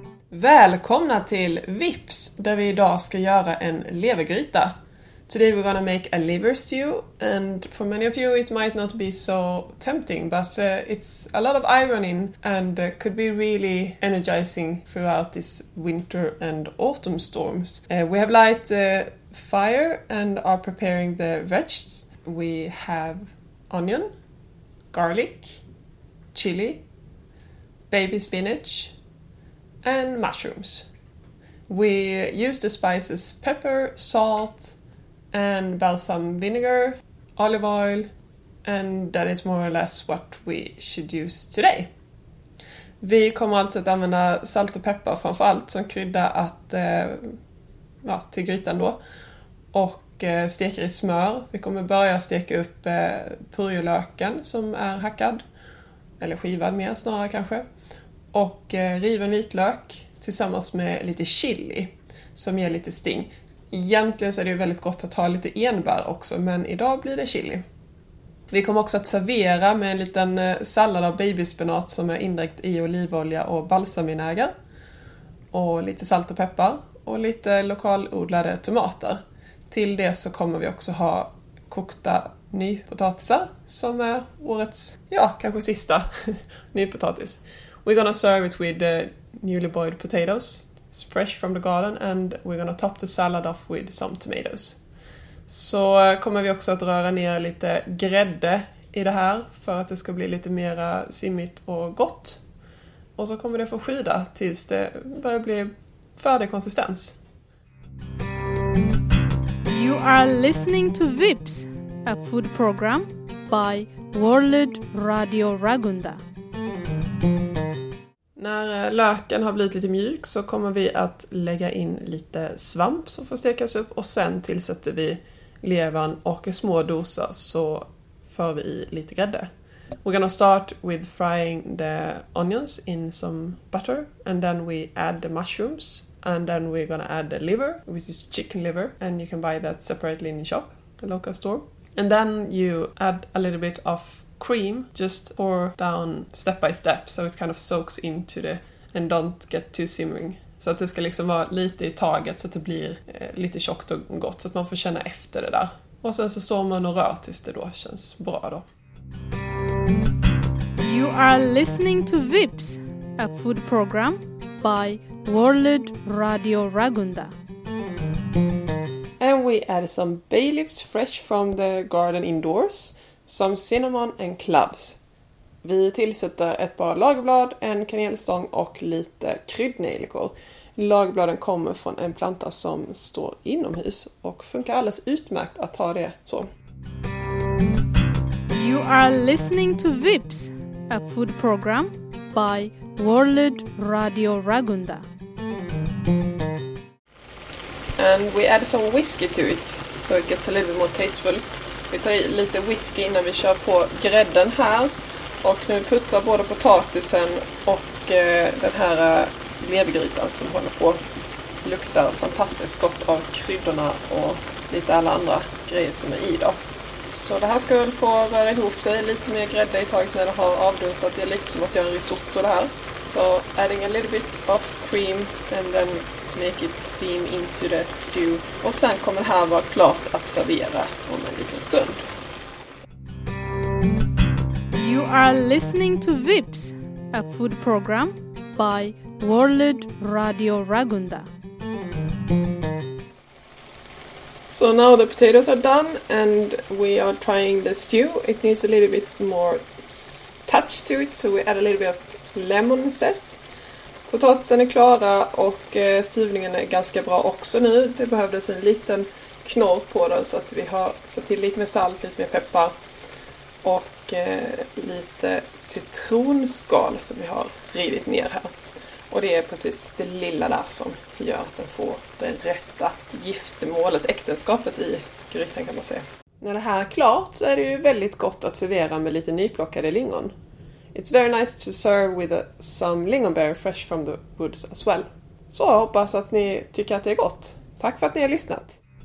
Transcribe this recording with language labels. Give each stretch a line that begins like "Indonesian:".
Swedish: Välkomna till VIPS, där vi idag ska göra en levergryta.
English: Today we're gonna make a liver stew, and for many of you it might not be so tempting, but it's a lot of iron in and could be really energizing throughout this winter and autumn storms. We have light the fire and are preparing the veggies. We have onion, garlic, chili, baby spinach, and mushrooms. We use the spices pepper, salt, and balsam vinegar, olive oil, and that is more or less what we should use today.
Swedish: Vi kommer alltså att använda salt och peppar framförallt som krydda att till grytan då. Och steker i smör. Vi kommer börja steka upp purjolöken som är hackad, eller skivad mer snarare kanske. Och riven vitlök tillsammans med lite chili som ger lite sting. Egentligen så är det ju väldigt gott att ha lite enbär också, men idag blir det chili. Vi kommer också att servera med en liten sallad av babyspenat som är indräkt i olivolja och balsamvinäger. Och lite salt och peppar och lite lokalodlade tomater. Till det så kommer vi också ha kokta nypotatisar som är årets, kanske sista nypotatis.
English: We're gonna serve it with newly boiled potatoes. Fresh from the garden, and we're gonna top the salad off with some tomatoes.
Swedish: Så kommer vi också att röra ner lite grädde i det här för att det ska bli lite mer simmigt och gott. Och så kommer det få skida tills det börjar bli färdig konsistens.
English: You are listening to VIPS, a food program by World Radio Ragunda.
Swedish: När löken har blivit lite mjuk så kommer vi att lägga in lite svamp som får stekas upp. Och sen tillsätter vi levern och i små doser så för vi i lite grädde.
English: We're gonna start with frying the onions in some butter. And then we add the mushrooms. And then we're gonna add the liver, which is chicken liver. And you can buy that separately in the shop, the local store. And then you add a little bit of cream, just pour down step by step so it kind of soaks into the and don't get too simmering.
Swedish: Så att det ska liksom vara lite i taget så att det blir lite tjockt och gott så att man får känna efter det där. Och sen så står man och rör tills det då känns bra då. You are listening to VIPS, a food program by World Radio Ragunda.
English: And we add some bay leaves fresh from the garden indoors. Som cinnamon and cloves.
Swedish: Vi tillsätter ett par lagerblad, en kanelstång och lite kryddnejlikor. Lagerbladen kommer från en planta som står inomhus och funkar alldeles utmärkt att ha det så.
English: You are listening to VIPS, a food program by World Radio Ragunda. And we add some whiskey to it so it gets a little bit more tasteful.
Swedish: Vi tar i lite whisky innan vi kör på grädden här. Och nu puttrar både potatisen och den här levergrytan som håller på. Luktar fantastiskt gott av kryddorna och lite alla andra grejer som är i då. Så det här ska väl få röra ihop sig lite mer grädde i taget när det har avdunstat. Det är lite som att göra risotto det här.
English: Så adding a little bit of cream and then make it steam into the stew.
Swedish: Och sen kommer det här vara klart att servera om en liten stund. You are listening to VIPS, a food program by World Radio Ragunda.
English: So now the potatoes are done and we are trying the stew. It needs a little bit more touch to it, so we add a little bit of lemon zest.
Swedish: Potatisen är klara och stuvningen är ganska bra också nu. Det behövdes en liten knorr på den så att vi har satt till lite mer salt, lite mer peppar och lite citronskal som vi har rivit ner här. Och det är precis det lilla där som gör att den får det rätta giftermålet, äktenskapet i grytan kan man säga. När det här är klart så är det ju väldigt gott att servera med lite nyplockade lingon.
English: It's very nice to serve with some lingonberry fresh from the woods as well.
Swedish: Så jag hoppas att ni tycker att det är gott. Tack för att ni har lyssnat.